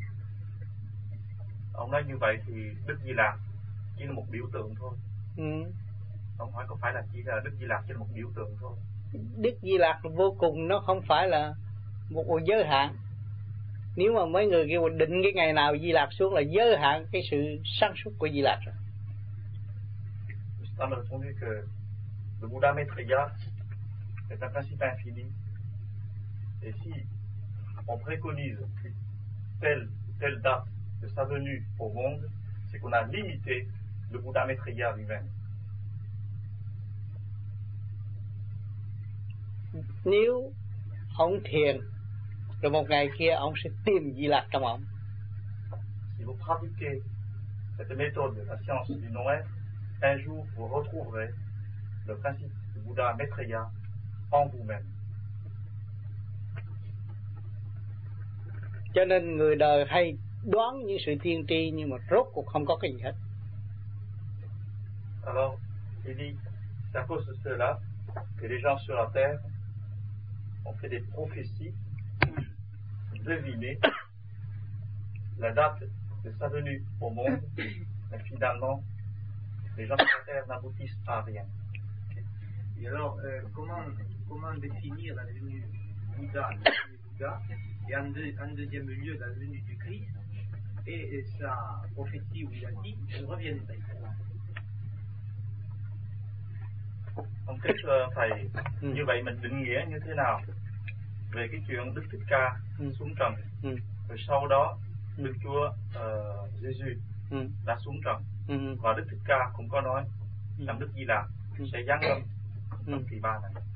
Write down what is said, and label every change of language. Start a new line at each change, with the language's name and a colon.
French: rien ne serait que c'est bon.
Vietnamese: Ông nói như vậy thì Đức Di Lạc chỉ là một biểu tượng thôi. Ông nói có phải là chỉ là Đức Di Lạc chỉ là một biểu tượng thôi. Đức Di Lạc vô cùng, nó không phải là một giới hạn. Nếu mà mấy người kêu định cái ngày nào Di Lạc xuống là giới hạn cái sự sáng suốt của Di Lạc rồi.
French: Nous avons répondu que le Bouddha Maitreya c'est un principe infini. Et si on préconise telle ou telle date de sa venue au monde, c'est qu'on a limité le Bouddha Maitreya lui-même.
Vietnamese: Nếu ông thiền, rồi một ngày kia ông sẽ tìm Di Lạc trong ông.
French: Si vous pratiquez cette méthode de la science du Noël, un jour vous retrouverez le principe du Bouddha Maitreya en vous-même.
Vietnamese: Cho nên người đời hay đoán những sự tiên tri, nhưng mà rốt cuộc không có cái gì hết.
French: Alors, il dit, c'est à cause de cela que les gens sur la terre ont fait des prophéties devinées la date de sa venue au monde, mais finalement les gens sur la terre n'aboutissent à rien. Et alors, comment définir la venue du Bouddha, et en deuxième lieu la venue du Christ, et sa prophétie où il a dit je reviendrai. Donc,
Vietnamese: thầy, như vậy mình định nghĩa như thế nào về cái chuyện Đức Thích Ca xuống trần, rồi sau đó Đức Chúa Jésus đã xuống trần, và Đức Thích Ca cũng có nói rằng Đức Di Lạc sẽ giáng lâm trong kỳ ba này.